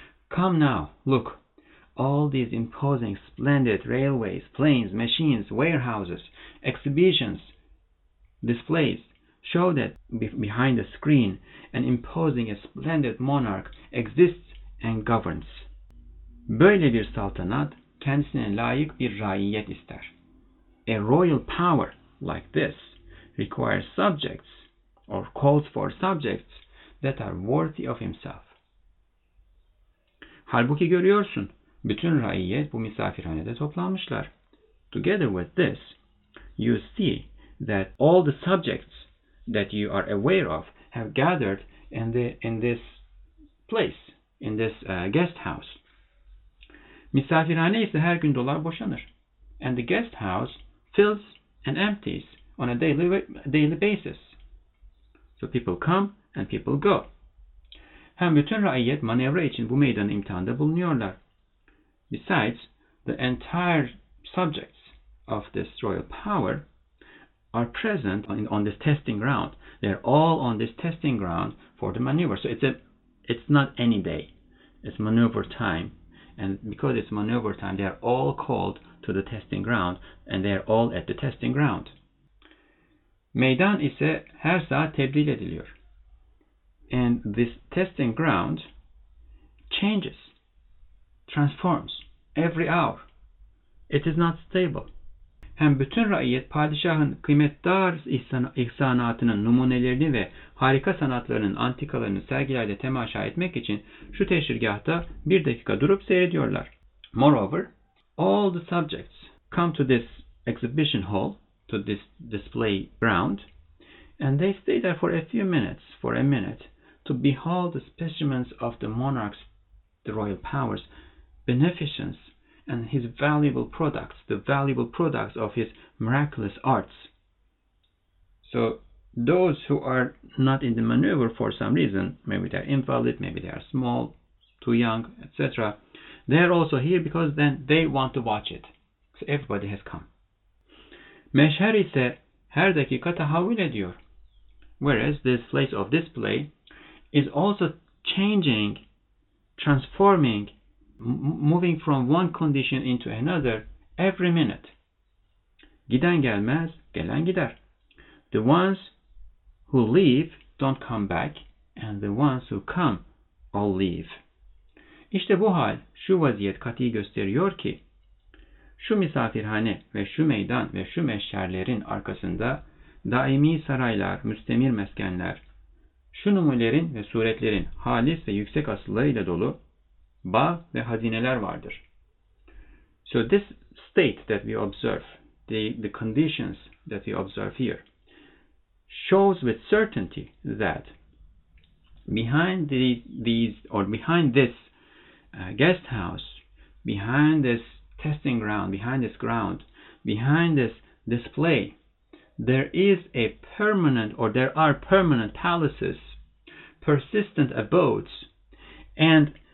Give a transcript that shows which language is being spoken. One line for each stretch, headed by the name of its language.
English: Come now, look. All these imposing, splendid railways, planes, machines, warehouses, exhibitions, displays show that behind the screen an imposing, a splendid monarch exists and governs.
Turkish: Böyle bir saltanat kendisine layık bir raiyet ister.
English: A royal power like this requires subjects or calls for subjects that are worthy of himself.
Turkish: Halbuki görüyorsun, bütün raiyet bu misafirhanede toplanmışlar.
English: Together with this, you see that all the subjects that you are aware of have gathered in this guest house.
Turkish: Misafirhane ise her gün dolar boşanır.
English: And the guest house fills and empties on a daily basis. So people come and people go.
Turkish: Hem bütün raiyet manevra için bu meydan imtihanda bulunuyorlar.
English: Besides, the entire subjects of this royal power are present on this testing ground. They're all on this testing ground for the maneuver. So it's not any day. It's maneuver time. And because it's maneuver time, they are all called to the testing ground and they are all at the testing ground.
Turkish: Meydan ise her saat tebdil ediliyor.
English: And this testing ground changes, transforms every hour. It is not stable.
Turkish: Hem bütün raiyet padişahın kıymetdar ihsanatının numunelerini ve harika sanatlarının antikalarını sergilerde temaşa etmek için şu teşhirgahta bir dakika durup seyrediyorlar.
English: Moreover, all the subjects come to this exhibition hall, to this display ground, and they stay there for a few minutes, for a minute, to behold the specimens of the monarch's, the royal powers, beneficence, and his valuable products, the valuable products of his miraculous arts. So those who are not in the maneuver for some reason, maybe they're invalid, maybe they are small, too young, etc., they're also here because then they want to watch it. So everybody has come.
Turkish: Meşher ise her dakika tahavvül ediyor.
English: Whereas this place of display is also changing, transforming, moving from one condition into another every minute.
Turkish: Giden gelmez, gelen gider.
English: The ones who leave don't come back, and the ones who come all leave.
Turkish: İşte bu hal, şu vaziyet kat'i gösteriyor ki, şu misafirhane ve şu meydan ve şu meşherlerin arkasında daimi saraylar, müstemir meskenler, şu numunelerin ve suretlerin halis ve yüksek asıllarıyla dolu bağ ve hazineler vardır.
English: So this state that we observe, the conditions that we observe here shows with certainty that behind this guest house, behind this testing ground, behind this display, there are permanent palaces, persistent abodes, and